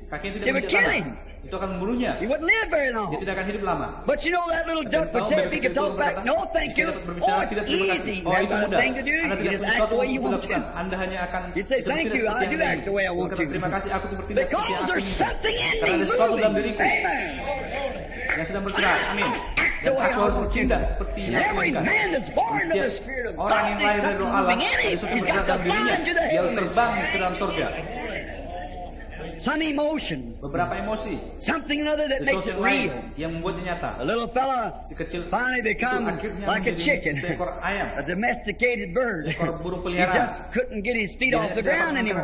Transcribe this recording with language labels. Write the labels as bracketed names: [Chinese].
[English] They were killing. He wouldn't live very long. But you know that little duck would say, if he could talk back, no, thank you. Oh, it's easy. That's the thing to do. You just act the way you want to. He'd say, thank you. I do act the way I want to. Because there's something in me moving. Amen. [Indonesian] Yang sedang bergerak, amin. Dan aku harus bertindak seperti yang aku inginkan. Setiap orang yang lahir dari roh Allah, Yesus yang bergerak dalam dirinya, dia harus terbang ke dalam surga. [English] Some emotion, [Indonesian] beberapa emosi, [English] something another that makes it real, [Indonesian] yang membuatnya nyata. [English] A little fella, [Indonesian] si kecil, [English] finally become like a chicken, [Indonesian] seekor ayam, [English] a domesticated bird, [Indonesian] seekor burung peliharaan. [English] He just couldn't get his feet off the ground anymore.